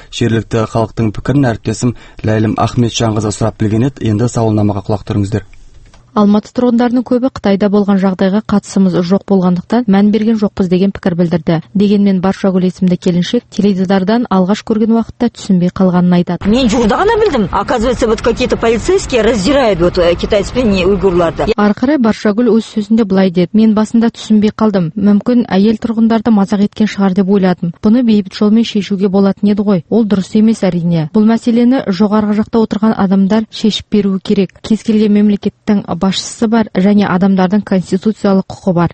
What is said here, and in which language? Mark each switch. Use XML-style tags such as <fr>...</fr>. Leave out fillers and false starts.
<kk>Жергілікті халықтың пікірін әріптесім Ләйлім Ахметжанқызы сұрап білген еді. Енді сауалнамаға құлақ түріңіздер. Алматы тұрғындарының көбі Қытайда болған жағдайға қатысымыз жоқ болғандықтан мән берген жоқпыз деген пікір білдірді. Дегенмен Баршагүл есімді келіншек теледидардан алғаш көрген уақытта түсінбей қалғанын айтады. Мен жуырда ғана білдім.</kk> <ru>Оказывается, вот какие-то полицейские раздирают вот китайцев</ru> <kk>пен уйгурларды. Ары қарай Баршагүл өз сөзінде былай деді. Мен басында түсінбей қалдым. Мүмкін әйел тұрғындарды мазақ еткен шығар деп ойладым. Бұны бейбіт жолмен шешуге болатын еді ғой. Ол дұрыс емес әрине. Бұл мәселені жоғарғы жақта отырған адамдар шешіп беруі керек. Кез келген мемлекеттің басшысы бар және адамдардың конституциялық құқы бар.</kk>